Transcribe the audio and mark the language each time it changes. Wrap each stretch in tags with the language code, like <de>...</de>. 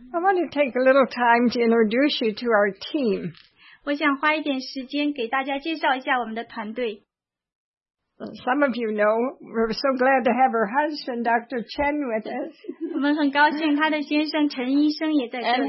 <en>I want to take a little time to introduce you to our team.</en> <zh>我想花一点时间给大家介绍一下我们的团队。</zh> <en>Some of you know, we're so glad to have her husband, Dr. Chen, with us.</en> <zh>我们很高兴她的先生陈医生也在这里。</zh>